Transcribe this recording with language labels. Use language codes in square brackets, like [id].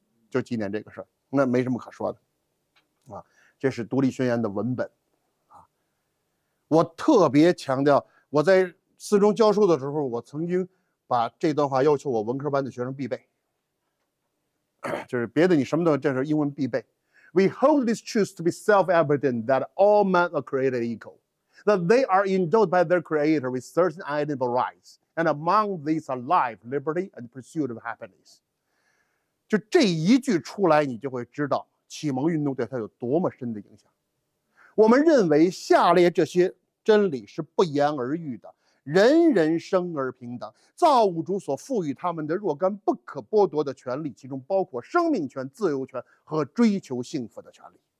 [zh] 就纪念这个事儿，那没什么可说的啊。这是独立宣言的文本啊。我特别强调，我在四中教书的时候，我曾经把这段话要求我文科班的学生必备。就是别的你什么都，这是英文必备。 [en] We hold this truth to be self-evident that all men are created equal, that they are endowed by their creator with certain inalienable rights, and among these are life, liberty, and pursuit of happiness. [zh] 就这一句出来，你就会知道启蒙运动对他有多么深的影响。我们认为下列这些真理是不言而喻的，人人生而平等，造物主所赋予他们的若干不可剥夺的权利，其中包括生命权、自由权和追求幸福的权利。